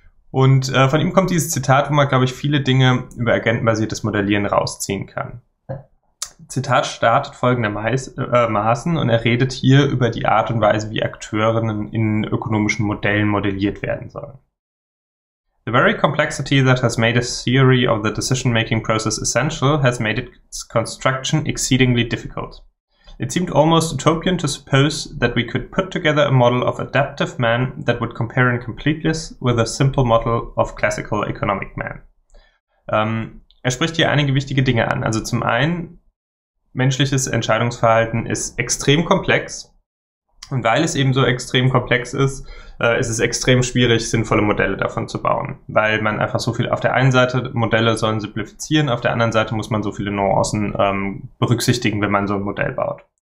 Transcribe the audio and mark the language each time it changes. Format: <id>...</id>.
<de>Und von ihm kommt dieses Zitat, wo man, glaube ich, viele Dinge über agentenbasiertes Modellieren rausziehen kann. Zitat startet folgendermaßen und er redet hier über die Art und Weise, wie Akteurinnen in ökonomischen Modellen modelliert werden sollen.</de> <en>The very complexity that has made a theory of the decision-making process essential has made its construction exceedingly difficult. It seemed almost utopian to suppose that we could put together a model of adaptive man that would compare in completeness with a simple model of classical economic man.</en> <de>Er spricht hier einige wichtige Dinge an. Also zum einen, menschliches Entscheidungsverhalten ist extrem komplex. Und weil es eben so extrem komplex ist, ist es extrem schwierig, sinnvolle Modelle davon zu bauen. Weil man einfach so viel auf der einen Seite Modelle sollen simplifizieren, auf der anderen Seite muss man so viele Nuancen berücksichtigen, wenn man so ein Modell baut.</de>